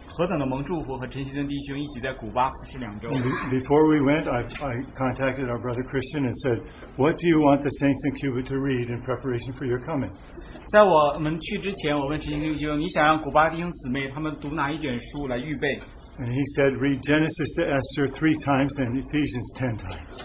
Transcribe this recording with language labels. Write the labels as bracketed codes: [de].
[zh] 在十二月，我和我的姊妹还有陈锡登，何等的蒙祝福和陈锡登弟兄一起在古巴服侍两周。 [en] Before we went, I contacted our brother Christian and said, "What do you want the saints in Cuba to read in preparation for your coming?" [zh] 在我们去之前，我问陈锡登弟兄，你想让古巴弟兄姊妹他们读哪一卷书来预备？ [en] And he said, read Genesis to Esther 3 times and Ephesians 10 times.